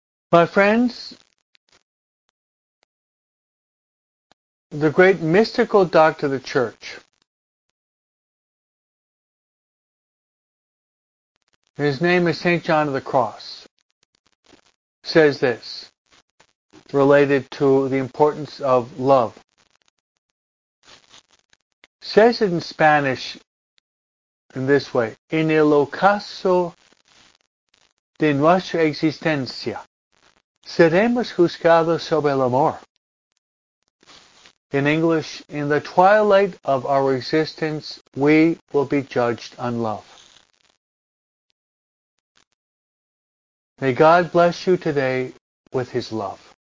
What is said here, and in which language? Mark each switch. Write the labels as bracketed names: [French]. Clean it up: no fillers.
[English] My friends, the great mystical doctor of the church, his name is St. John of the Cross, says this, related to the importance of love. Says it in Spanish in this way, [Spanish] en el ocaso de nuestra existencia, seremos juzgados sobre el amor. [English] In English, in the twilight of our existence, we will be judged on love. May God bless you today with his love.